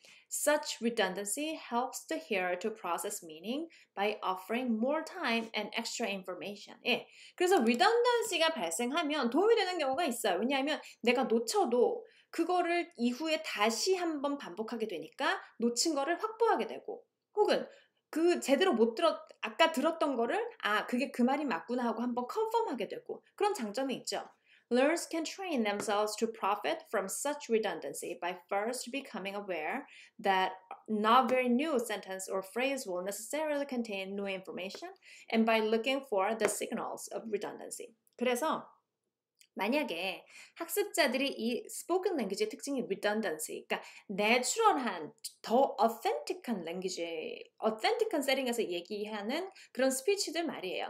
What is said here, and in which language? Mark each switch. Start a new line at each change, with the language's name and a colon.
English: Such redundancy helps the hearer to process meaning by offering more time and extra information.
Korean: 예. 그래서 redundancy가 발생하면 도움이 되는 경우가 있어요. 왜냐하면 내가 놓쳐도 그거를 이후에 다시 한번 반복하게 되니까 놓친 거를 확보하게 되고, 혹은 그 제대로 못 들었, 아까 들었던 거를, 그게 그 말이 맞구나 하고 한번 컨펌하게 되고, 그런 장점이 있죠.
English: Learners can train themselves to profit from such redundancy by first becoming aware that not very new sentence or phrase will necessarily contain new information and by looking for the signals of redundancy.
Korean: 그래서 만약에 학습자들이 이 스포큰 랭귀지의 특징이 redundancy, 그러니까 내추럴한, 더 authentic한 랭귀지, authentic한 세팅에서 얘기하는 그런 스피치들 말이에요.